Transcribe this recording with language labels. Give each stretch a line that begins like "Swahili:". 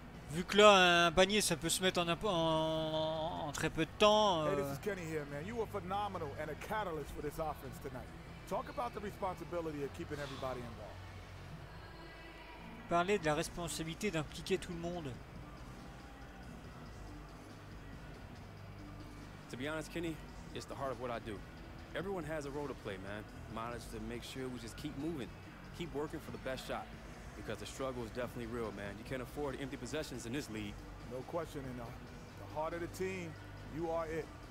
French: Vu que là, un panier, ça peut se mettre en très peu de temps.
English: Hey, this is Kenny here, man. You were phenomenal and a catalyst for this offense tonight. Talk about the responsibility of keeping everybody involved.
French: Parler de la responsabilité d'impliquer tout le monde.
English: To be honest, Kenny, it's the heart of what I do. Everyone has a role to play, man. Mine is to make sure we just keep moving, keep working for the best shot. Because the struggle is definitely real, man. You can't afford empty possessions in this league. No question, and the heart of the team, you are it.